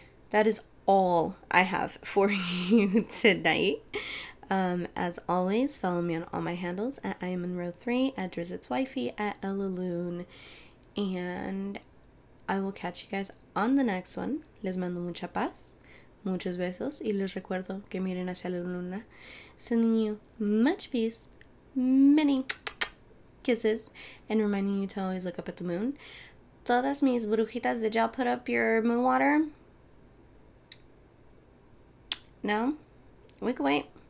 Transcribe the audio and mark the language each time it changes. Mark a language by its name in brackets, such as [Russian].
[English] That is all I have for you tonight. As always, follow me on all my handles at imonroe3, at drizitswifey, at ellaloon. And I will catch you guys on the next one. [Spanish] Les mando mucha paz, muchos besos, y les recuerdo que miren hacia la luna. [English] Sending you much peace, many kisses, and reminding you to always look up at the moon. [Spanish] Todas mis brujitas, [English] did y'all put up your moon water? No? We can wait.